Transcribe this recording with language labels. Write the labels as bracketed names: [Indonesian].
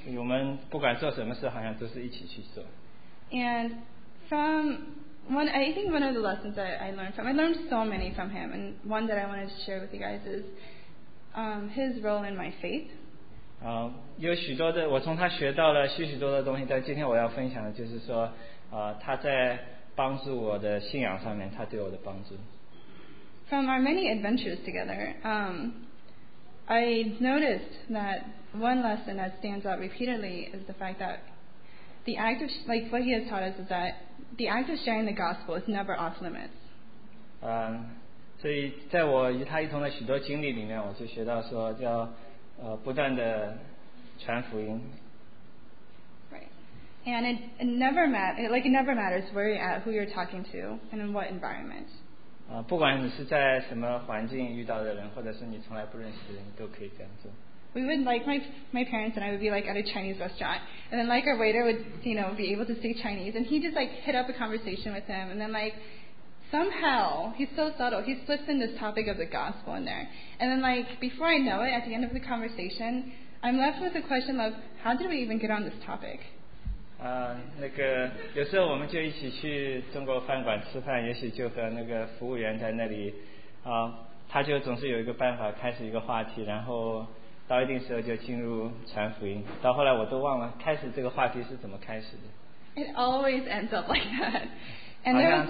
[Chinese] 我们不管做什么事，好像都是一起去做。 [English] And from one, I think one of the lessons that I learned from, I learned so many from him, and one that I wanted to share with you guys is his role in my faith. [Chinese] 有许多的，我从他学到了许许多的东西，但今天我要分享的就是说，他在帮助我的信仰上面，他对我的帮助。 [English] From our many adventures together, I noticed that one lesson that stands out repeatedly is the fact that the act of, like what he has taught us is that the act of sharing the gospel is never off limits. [Chinese] 所以在我与他一同的许多经历里面，我就学到说要不断的传福音。 [English] Right, and it never matters where you're at, who you're talking to, and in what environment. [Chinese] 不管你是在什么环境遇到的人，或者是你从来不认识的人，都可以这样做。 [English] We would like my parents and I would be like at a Chinese restaurant, and then like our waiter would you know be able to speak Chinese, and he just like hit up a conversation with him, and then like somehow he's so subtle, he slips in this topic of the gospel in there, and then like before I know it, at the end of the conversation, I'm left with the question of how did we even get on this topic? [Chinese] 那个有时候我们就一起去中国饭馆吃饭，也许就和那个服务员在那里，他就总是有一个办法开始一个话题，然后到一定时候就进入传福音。到后来我都忘了开始这个话题是怎么开始的。 [English] It always ends up like that. And there was like.